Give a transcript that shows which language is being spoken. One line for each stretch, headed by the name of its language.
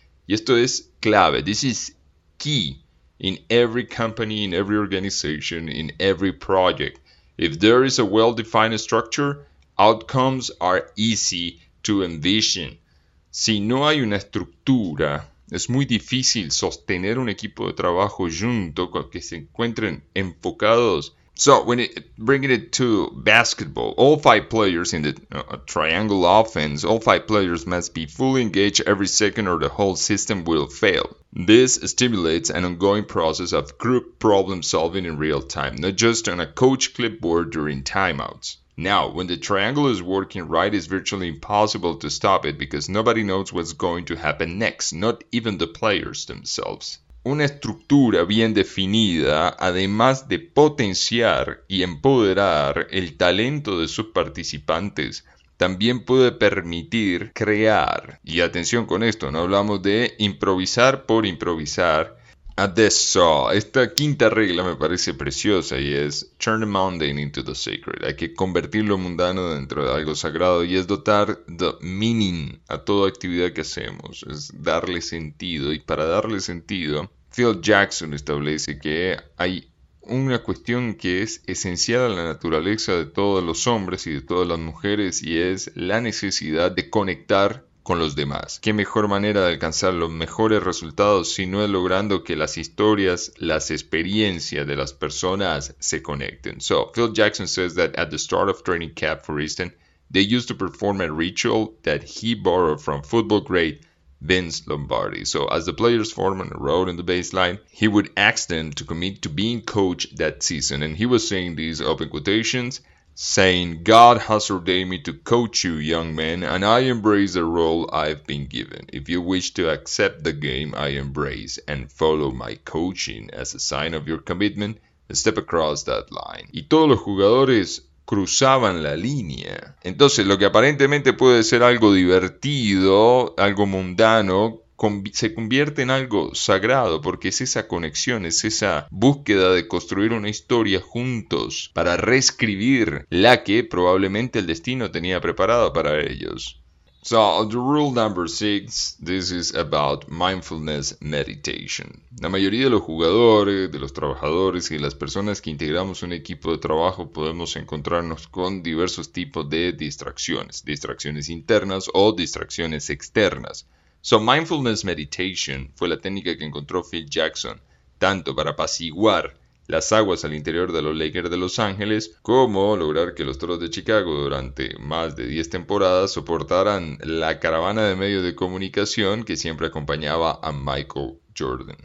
Spanish: Y esto es clave.
English: This is key in every company, in every organization, in every project. If there is a well-defined structure, outcomes are easy to envision.
Spanish: Si no hay una estructura, es muy difícil sostener un equipo de trabajo junto con que se encuentren enfocados.
English: So, when bringing it to basketball, all five players in the triangle offense, all five players must be fully engaged every second or the whole system will fail. This stimulates an ongoing process of group problem solving in real time, not just on a coach clipboard during timeouts. Now, when the triangle is working right, it's virtually impossible to stop it because nobody knows what's going to happen next, not even the players themselves.
Spanish: Una estructura bien definida, además de potenciar y empoderar el talento de sus participantes, también puede permitir crear. Y atención con esto, no hablamos de improvisar por improvisar. Adesso, esta quinta regla me parece preciosa y es
English: turn the mundane into the sacred.
Spanish: Hay que convertir lo mundano dentro de algo sagrado y es dotar the meaning a toda actividad que hacemos. Es darle sentido y para darle sentido, Phil Jackson establece que hay una cuestión que es esencial a la naturaleza de todos los hombres y de todas las mujeres y es la necesidad de conectar con los demás. ¿Qué mejor manera de alcanzar los mejores resultados si no es logrando que las historias, las experiencias de las personas se conecten?
English: So, Phil Jackson says that at the start of training camp, for instance, they used to perform a ritual that he borrowed from football great Vince Lombardi. So, as the players formed on a row in the baseline, he would ask them to commit to being coach that season. And he was saying these open quotations, saying, God has ordained me to coach you, young man, and I embrace the role I've been given. If you wish to accept the game I embrace and follow my coaching as a sign of your commitment, step across that line.
Spanish: Y todos los jugadores cruzaban la línea. Entonces, lo que aparentemente puede ser algo divertido, algo mundano, se convierte en algo sagrado porque es esa conexión, es esa búsqueda de construir una historia juntos para reescribir la que probablemente el destino tenía preparado para ellos.
English: So, the rule number six, this is about mindfulness meditation.
Spanish: La mayoría de los jugadores, de los trabajadores y las personas que integramos un equipo de trabajo podemos encontrarnos con diversos tipos de distracciones, distracciones internas o distracciones externas. So, mindfulness meditation fue la técnica que encontró Phil Jackson, tanto para apaciguar las aguas al interior de los Lakers de Los Ángeles, como lograr que los Toros de Chicago durante más de 10 temporadas soportaran la caravana de medios de comunicación que siempre acompañaba a Michael Jordan.